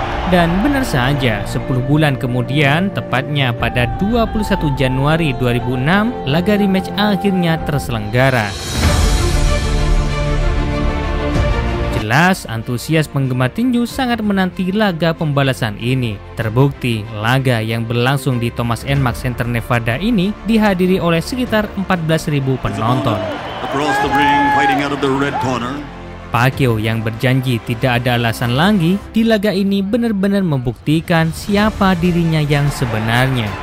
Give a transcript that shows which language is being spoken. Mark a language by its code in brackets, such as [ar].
[id] Dan benar saja, 10 bulan kemudian, tepatnya pada 21 Januari 2006, laga rematch akhirnya terselenggara. Jelas, antusias penggemar tinju sangat menanti laga pembalasan ini. Terbukti, laga yang berlangsung di Thomas & Mack Center Nevada ini dihadiri oleh sekitar 14.000 penonton. [en] Across the ring, fighting out of the red corner. [id] Pacquiao yang berjanji tidak ada alasan lagi di laga ini benar-benar membuktikan siapa dirinya yang sebenarnya.